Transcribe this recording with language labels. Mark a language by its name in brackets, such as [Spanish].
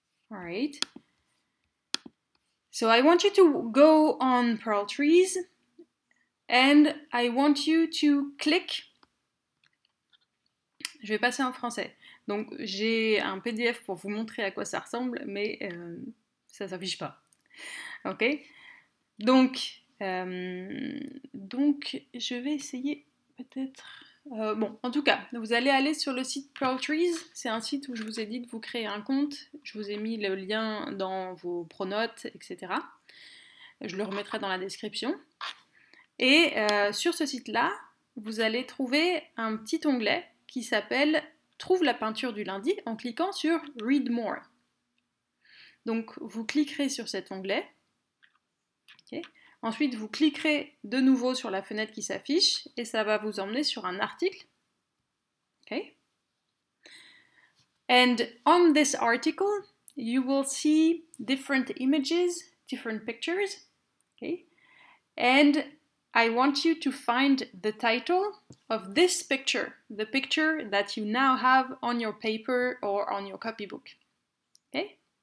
[English] All right, so I want you to go on Pearl Trees and I want you to click. [French] Je vais passer en français. Donc j'ai un PDF pour vous montrer à quoi ça ressemble, mais ça ne s'affiche pas. Ok, donc je vais essayer peut-être. Bon, en tout cas, vous allez aller sur le site Pearl Trees, c'est un site où je vous ai dit de vous créer un compte, je vous ai mis le lien dans vos pronotes, etc. Je le remettrai dans la description. Et sur ce site-là, vous allez trouver un petit onglet qui s'appelle « Trouve la peinture du lundi » en cliquant sur « Read more ». Donc, vous cliquerez sur cet onglet. Okay. Ensuite, vous cliquerez de nouveau sur la fenêtre qui s'affiche et ça va vous emmener sur un article. Okay. [English] And on this article, you will see different images, different pictures. Okay. And I want you to find the title of this picture, the picture that you now have on your paper or on your copybook. Okay.